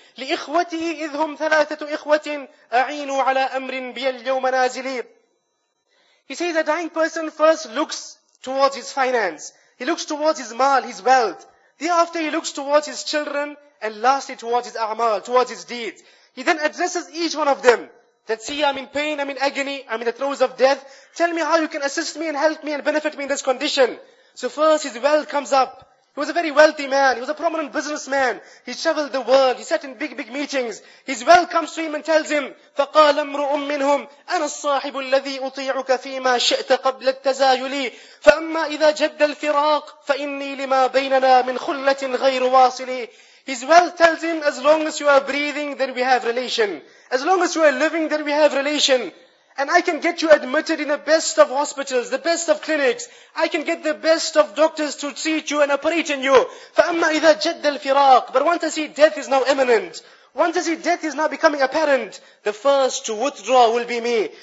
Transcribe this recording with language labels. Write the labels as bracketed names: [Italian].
[Arabic] لإخوتي إذ هم ثلاثة إخوة أعينوا على أمر بي اليوم نازلي. [English] He says a dying person first looks towards his finance. He looks towards his maal, his wealth. Thereafter he looks towards his children and lastly towards his a'mal, towards his deeds. He then addresses each one of them. That see, I'm in pain, I'm in agony, I'm in the throes of death. Tell me how you can assist me and help me and benefit me in this condition. So first his wealth comes up. He was a very wealthy man. He was a prominent businessman. He traveled the world. He sat in big, big meetings. His wealth comes to him and tells him, [Arabic] فَقَالَ امْرُؤٌ مِّنْهُمْ أَنَا الصَّاحِبُ الَّذِي أُطِيعُكَ فِي مَا شِئْتَ قَبْلَ التَّزَايُلِي فَأَمَّا إِذَا جَدَّ الْفِرَاقِ فَإِنِّي لِمَا بَيْنَنَا مِنْ خُلَّةٍ غَيْرُ وَاصِلِي [English] His wealth tells him, as long as you are breathing, then we have relation. As long as you are living, then we have relation. And I can get you admitted in the best of hospitals, the best of clinics. I can get the best of doctors to treat you and operate on you. [Arabic] فَأَمَّا إِذَا جَدَّ الْفِرَاقِ [English] But once I see death is now imminent, once I see death is now becoming apparent, the first to withdraw will be me.